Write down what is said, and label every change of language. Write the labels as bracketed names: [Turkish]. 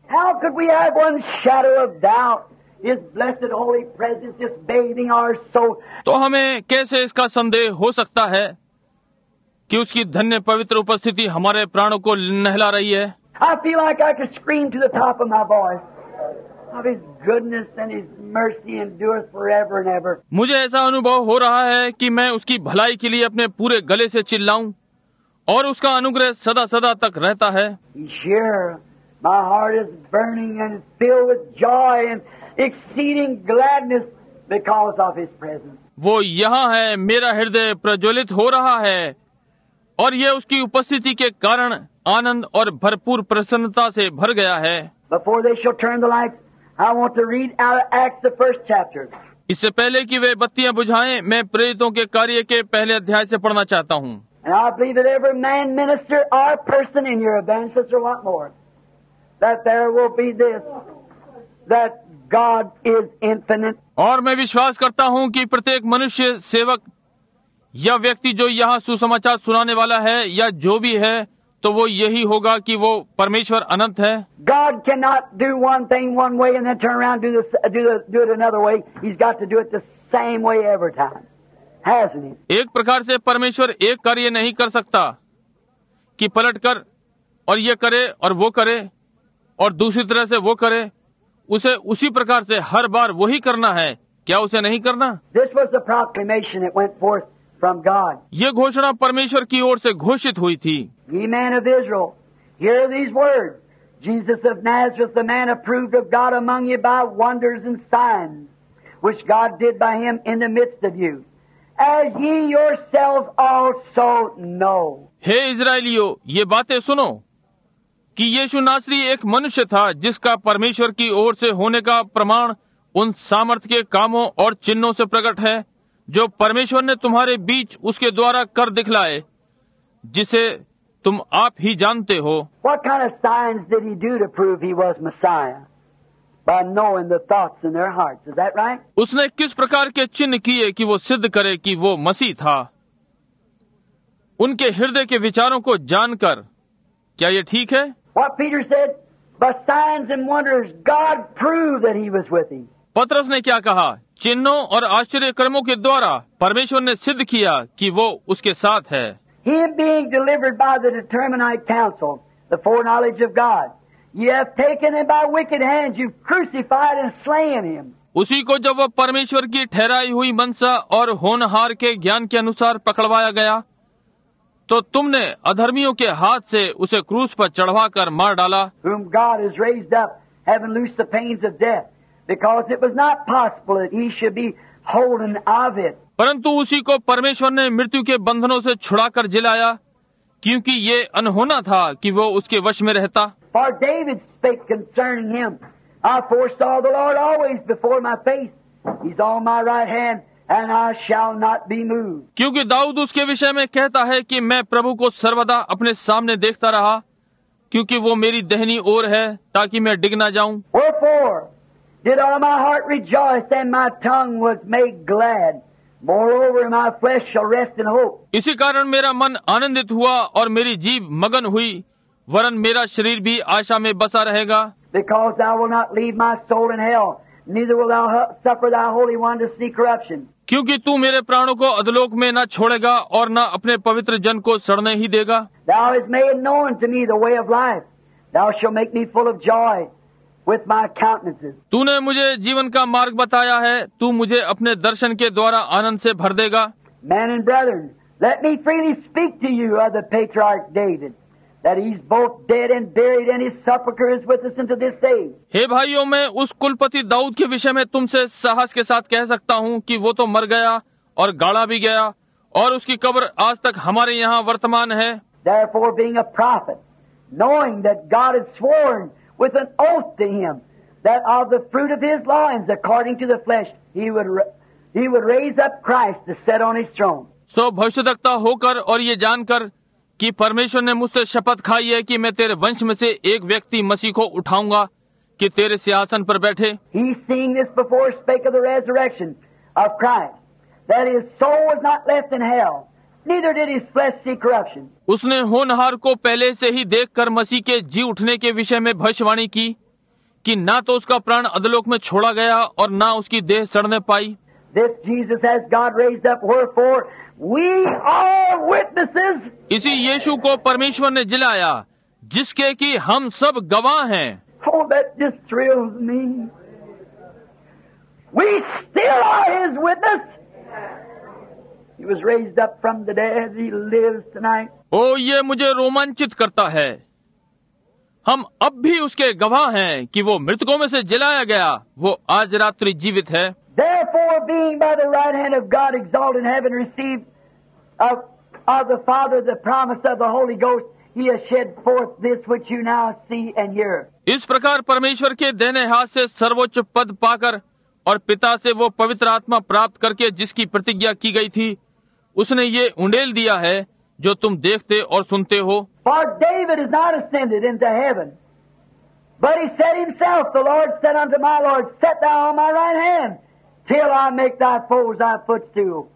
[English] How could we have one shadow of doubt? His blessed holy presence just bathing our soul. [Hindi] तो हमें कैसे इसका संदेह हो सकता है कि उसकी धन्य पवित्र उपस्थिति हमारे प्राणों को नहला रही है? [English] I feel like I could scream to the top of my voice of his goodness and his mercy endures forever and ever. [Hindi] मुझे ऐसा अनुभव हो रहा है कि मैं उसकी भलाई के लिए अपने पूरे गले से चिल्लाऊं और उसका अनुग्रह सदा सदा तक रहता है. [English] Here, my heart is burning and filled with joy and exceeding gladness because of his presence. [Hindi] वो यहाँ है, मेरा हृदय प्रज्वलित हो रहा है और ये उसकी उपस्थिति के कारण आनंद और भरपूर प्रसन्नता से भर गया है. [English] Before they shall turn the lights, I want to read out Acts the first chapter. [Hindi] इससे पहले कि वे बत्तियां बुझाएं, मैं प्रेरितों के कार्य के पहले अध्याय से पढ़ना चाहता हूँ. [English] And I believe that every man, minister, or person in your evangelist or what more, that there will be this, that God is infinite. [Hindi] और मैं विश्वास करता हूँ कि प्रत्येक मनुष्य, सेवक या व्यक्ति जो यहाँ सुसमाचार सुनाने वाला है या जो भी है, तो वो यही होगा कि वो परमेश्वर अनंत है. [English] God cannot do one thing one way and then turn around and do it another way. He's got to do it the same way every time, hasn't he? [Hindi] एक प्रकार से परमेश्वर एक कार्य नहीं कर सकता कि पलट कर और ये करे और वो करे और दूसरी तरह से वो करे. उसे उसी प्रकार से हर बार वही करना है. क्या उसे नहीं करना? [English] This was the proclamation that went forth from God. [Hindi] ये घोषणा परमेश्वर की ओर से घोषित हुई थी. [English] Ye men of Israel, hear these words. Jesus of Nazareth, the man approved of God among you by wonders and signs, which God did by him in the midst of you, as ye yourselves also know. [Hindi] हे इसराइलियो, ये बातें सुनो कि यीशु नासरी एक मनुष्य था जिसका परमेश्वर की ओर से होने का प्रमाण उन सामर्थ्य के कामों और चिन्हों से प्रकट है जो परमेश्वर ने तुम्हारे बीच उसके द्वारा कर दिखलाए, जिसे तुम आप ही जानते हो. [English] What kind of signs did he do to prove he was Messiah? By knowing the thoughts in their hearts, is that right? [Hindi] उसने किस प्रकार के चिन्ह किए कि वो सिद्ध करे कि वो मसीह था? उनके हृदय के विचारों को जानकर, क्या ये ठीक है? [English] What Peter said, by signs and wonders, God proved that he was with him. [Hindi] पत्रस ने क्या कहा? चिन्हों और आश्चर्य कर्मों के द्वारा परमेश्वर ने सिद्ध किया कि वो उसके साथ है. [English] He being delivered by the determinate counsel, the foreknowledge of God, you have taken him by wicked hands, you've crucified and slain him. [Hindi] उसी को जब वो परमेश्वर की ठहराई हुई मनसा और होनहार के ज्ञान के अनुसार पकड़वाया गया, तो तुमने अधर्मियों के हाथ से उसे क्रूस पर चढ़वा कर मार डाला. [English] Whom God has raised up, having loosed the pains of death. Because it was not possible that he should be holden of it. [Hindi] परंतु उसी को परमेश्वर ने मृत्यु के बंधनों से छुड़ाकर जिलाया, क्योंकि ये अनहोना था कि वो उसके वश में रहता. [English] For David spake concerning him, I foresaw the Lord always before my face. He's on my right hand, and I shall not be moved. [Hindi] क्योंकि दाऊद उसके विषय में कहता है कि मैं प्रभु को सर्वदा अपने सामने देखता रहा, क्योंकि वो मेरी दहनी ओर है, ताकि मैं डिग ना जाऊं. [English] Wherefore did all my heart rejoice and my tongue was made glad. Moreover, my flesh shall rest in hope. [Hindi] इसी कारण मेरा मन आनंदित हुआ और मेरी जीभ मगन हुई, वरन मेरा शरीर भी आशा में बसा रहेगा. [English] Because thou wilt not leave my soul in hell, neither wilt thou suffer thy holy one to see corruption. [Hindi] क्योंकि तू मेरे प्राणों को अधलोक में न छोड़ेगा और न अपने पवित्र जन को सड़ने ही देगा. [English] Thou hast made known to me the way of life. Thou shalt make me full of joy. [Hindi] तूने मुझे जीवन का मार्ग बताया है. तू मुझे अपने दर्शन के द्वारा आनंद से भर देगा. [English] Men and brethren, let me freely speak to you of the patriarch David, that he's both dead and buried, and his sepulchre is with us unto this day. [Hindi] हे भाइयों, मैं उस कुलपति दाऊद के विषय में तुमसे साहस के साथ कह सकता हूँ कि वो तो मर गया और गाड़ा भी गया, और उसकी कब्र आज तक हमारे यहाँ वर्तमान है. [English] Therefore, being a prophet, knowing that God had sworn with an oath to him that of the fruit of his loins according to the flesh he would raise up Christ to set on his throne. [Hindi] सो भविष्यद्वक्ता होकर और ये जानकर कि परमेश्वर ने मुझसे शपथ खाई है कि मैं तेरे वंश में से एक व्यक्ति मसीह को उठाऊंगा कि तेरे सिंहासन पर बैठे. [English] He's seeing this before spake of the resurrection of Christ, that his soul was not left in hell, neither did his flesh see corruption. [Hindi] उसने होनहार को पहले से ही देखकर मसीह के जी उठने के विषय में भविष्यवाणी की कि ना तो उसका प्राण अधलोक में छोड़ा गया और ना उसकी देह सड़ने पाई. [English] This Jesus has God raised up, wherefore we are witnesses. [Hindi] इसी यीशु को परमेश्वर ने जिलाया जिसके कि हम सब गवाह हैं. [English] Oh, that just thrills me. We still are his witness. He was raised up from the dead. He lives tonight. [Hindi] Oh, ये मुझे रोमांचित करता है. हम अब भी उसके गवाह हैं कि वो मृतकों में से जिलाया गया, वो आज रात्रि जीवित है. [English] Therefore, being by the right hand of God exalted in heaven, received of the Father the promise of the Holy Ghost, he has shed forth this which you now see and hear. [Hindi] इस प्रकार परमेश्वर के दाहिने हाथ से सर्वोच्च पद पाकर और पिता से वो पवित्र आत्मा प्राप्त करके जिसकी प्रतिज्ञा की गई थी, उसने ये उंडेल दिया है जो तुम देखते और सुनते हो. [English] For David is not ascended into heaven, but he said himself, the Lord said unto my Lord, set thou on my right hand till I make thy foes thy footstool.